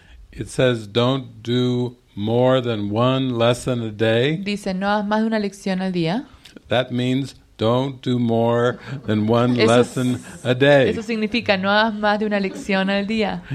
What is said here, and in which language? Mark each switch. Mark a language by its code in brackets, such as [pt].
[en] It says, don't do more than one lesson a day. [es] Dice, no hagas más de una lección al día. [en] That means, don't do more than one lesson a day. [es] Eso significa, no hagas más de una lección al día.